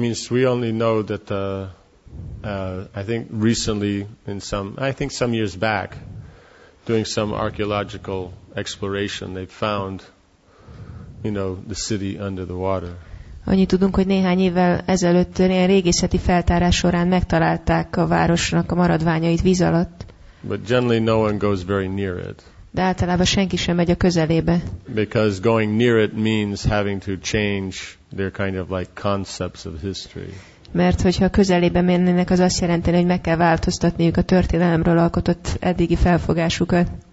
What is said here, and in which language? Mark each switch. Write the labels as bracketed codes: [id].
[en] We only know that some years back, doing some archaeological exploration, they found, the city under the water. [hu] Annyit tudunk, hogy néhány évvel ezelőtt ilyen régészeti feltárás során megtalálták a városnak a maradványait víz alatt. [en] But generally no one goes very near it. [hu] De általában senki sem megy a közelébe. [en] Because going near it means having to change their kind of like concepts of history. [hu] Mert hogyha közelébe mennének, az azt jelenti, hogy meg kell változtatniuk a történelemről alkotott eddigi felfogásukat.